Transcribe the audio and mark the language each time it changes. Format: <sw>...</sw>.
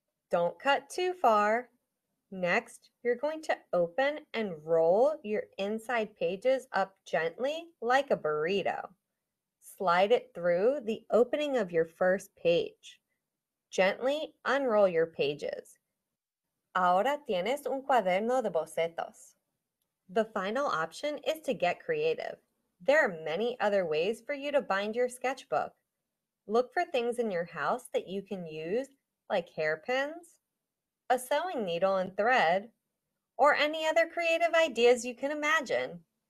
<en>Don't cut too far. Next, you're going to open and roll your inside pages up gently like a burrito. Slide it through the opening of your first page. Gently unroll your pages.</en> <es>Ahora tienes un cuaderno de bocetos.</es> <en>The final option is to get creative. There are many other ways for you to bind your sketchbook. Look for things in your house that you can use, like hairpins, a sewing needle and thread, or any other creative ideas you can imagine.</en>